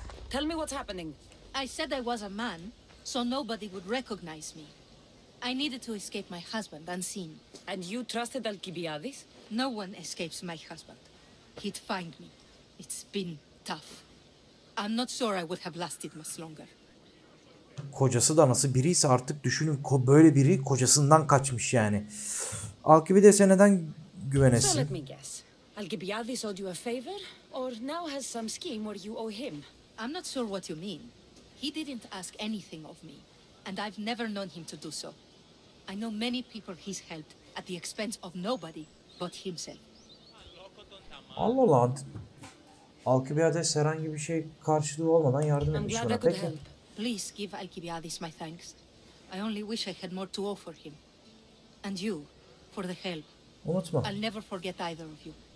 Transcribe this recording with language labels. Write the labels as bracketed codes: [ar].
[en] Tell me what's happening. I said I was a man, so nobody would recognize me. I needed to escape my husband unseen. And you trusted Alcibiades? No one escapes my husband. He'd find me. It's been tough. I'm not sure I would have lasted much longer. [tr] Kocası da nasıl biriyse artık düşünün, böyle biri kocasından kaçmış yani. Alcibiades'e neden güvenesin? [en] So let me guess. Alcibiades owed you a favor or now has some scheme where you owe him. I'm not sure what you mean. He didn't ask anything of me and I've never known him to do so. I know many people he's helped at the expense of nobody but himself. [tr] Allah Allah. Alcibiades herhangi bir şey karşılığı olmadan yardım etmiş ona. Peki. [en] Please give Alcibiades my thanks. I only wish I had more to offer him. And you, for the help. [tr] Unutma. [en] I'll never forget either of you.